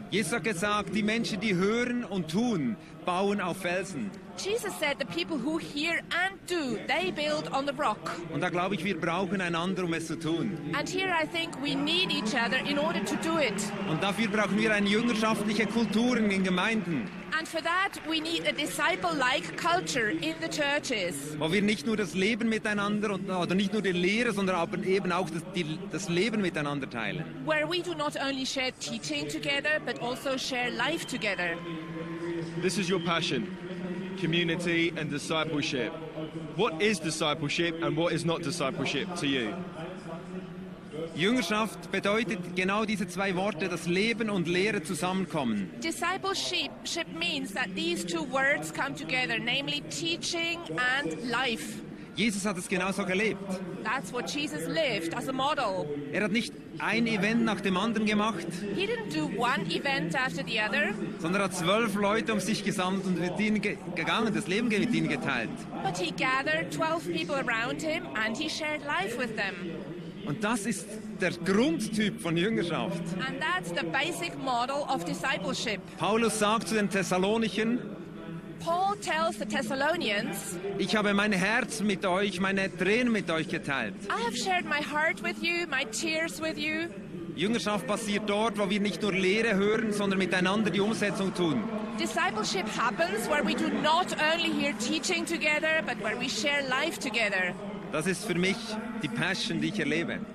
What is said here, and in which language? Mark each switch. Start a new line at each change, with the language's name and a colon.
German: Jesus hat gesagt, die Menschen, die hören und tun, bauen auf Felsen.
English: Jesus said, the people who hear and do, they build on the rock.
German: Und da glaube ich, wir brauchen einander, um es zu tun.
English: And here I think we need each other in order to do it.
German: Und dafür brauchen wir eine jüngerschaftliche Kultur in den Gemeinden.
English: And for that we need a disciple-like culture in the churches.
German: Wo wir nicht nur das Leben miteinander und oder nicht nur die Lehre, sondern aber eben auch das Leben miteinander teilen.
English: Where we do not only share teaching together, but also share life together. This is your passion. Community and discipleship. What is discipleship and what is not discipleship to you?
German: Jüngerschaft bedeutet genau diese zwei Worte, dass Leben und Lehre zusammenkommen.
English: Discipleship means that these two words come together, namely teaching and life.
German: Jesus hat es genauso gelebt.
English: That's what Jesus lived as a model.
German: Er hat nicht ein Event nach dem anderen gemacht.
English: He didn't do one event after the other.
German: Sondern hat 12 Leute um sich gesammelt und mit ihnen gegangen, das Leben mit ihnen geteilt.
English: But he gathered 12 people around him and he shared life with them.
German: Und das ist der Grundtyp von Jüngerschaft.
English: And that's the basic model of discipleship.
German: Paulus sagt zu den Thessalonichern,
English: Paul tells the Thessalonians,
German: ich habe mein Herz mit euch, meine Tränen mit euch geteilt.
English: I have shared my heart with you, my tears with you.
German: Jüngerschaft passiert dort, wo wir nicht nur Lehre hören, sondern miteinander die Umsetzung tun.
English: Discipleship happens where we do not only hear teaching together, but where we share life together.
German: Das ist für mich die Passion, die ich erlebe.